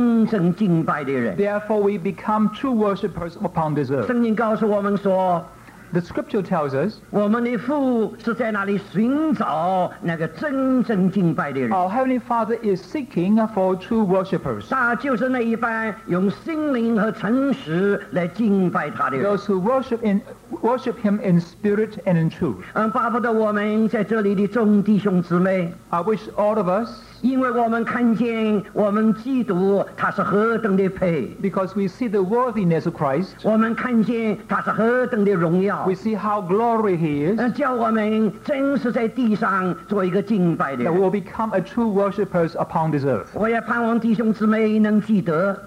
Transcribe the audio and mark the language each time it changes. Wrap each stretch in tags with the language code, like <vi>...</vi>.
<en>Therefore, we become true worshippers upon this earth.</en> <zh>圣经告诉我们说,</zh> <en>the scripture tells us,</en> <zh>我们的父是在那里寻找那个真正敬拜的人。</zh> <en>Our Heavenly Father is seeking for true worshippers.</en> <zh>他就是那一般用心灵和诚实来敬拜他的人。</zh> <en>Those who worship him in spirit and in truth.</en> <zh>巴不得我们在这里的众弟兄姊妹。</zh> <en>I wish all of us,</en> <zh>因为我们看见我们基督他是何等的配。</zh> <en>Because we see the worthiness of Christ.</en> <zh>我们看见他是何等的荣耀。</zh> <en>We see how glory he is.</en> <zh>叫我们真实在地上做一个敬拜的人。</zh> <en>That we'll become a true worshippers upon this earth.</en> <zh>我也盼望弟兄姊妹能记得。</zh>